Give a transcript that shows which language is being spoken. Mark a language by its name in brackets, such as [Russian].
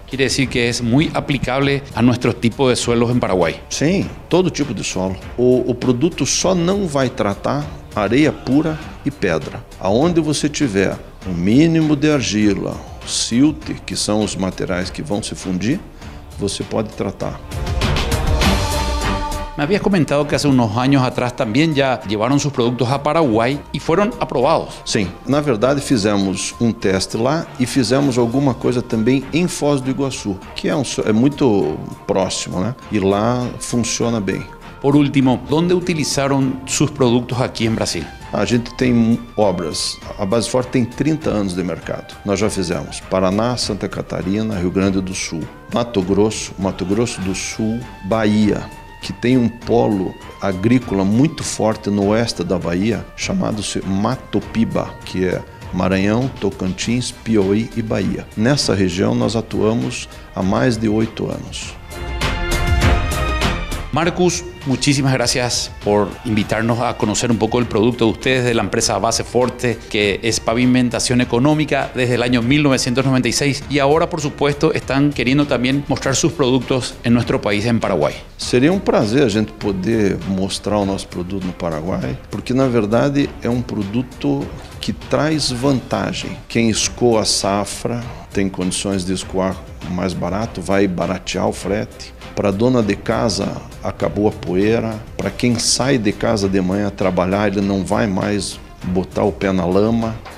[Portuguese] Quer dizer que é muito aplicável a nosso tipo de solo em Paraguai? Sim, todo tipo de solo. O produto só não vai tratar areia pura e pedra. Aonde você tiver um mínimo de argila, silt, que são os materiais que vão se fundir, você pode tratar. Me habías comentado que hace unos años atrás también ya llevaron sus productos a Paraguay y fueron aprobados. Sim, na verdade fizemos um teste lá e fizemos alguma coisa também em Foz do Iguaçu, que é muito próximo, né? E lá funciona bem. Por último, onde utilizaram seus produtos aqui em Brasil? A gente tem obras. A Basefor tem 30 anos de mercado. Nós já fizemos Paraná, Santa Catarina, Rio Grande do Sul, Mato Grosso do Sul, Bahia, que tem um polo agrícola muito forte no oeste da Bahia, chamado-se Matopiba, que é Maranhão, Tocantins, Piauí e Bahia. Nessa região nós atuamos há mais de 8 anos. [Spanish] Marcus, muchísimas gracias por invitarnos a conocer un poco el producto de ustedes, de la empresa Base Forte, que es pavimentación económica desde el año 1996. Y ahora, por supuesto, están queriendo también mostrar sus productos en nuestro país, en Paraguay. [Portuguese] Sería un placer a gente poder mostrar o nosso produto no Paraguai, porque na verdade é um produto que traz vantagem. Quem escoa safra tem condições de escoar mais barato, vai baratear o frete. Para a dona de casa, acabou a poeira. Para quem sai de casa de manhã trabalhar, ele não vai mais botar o pé na lama.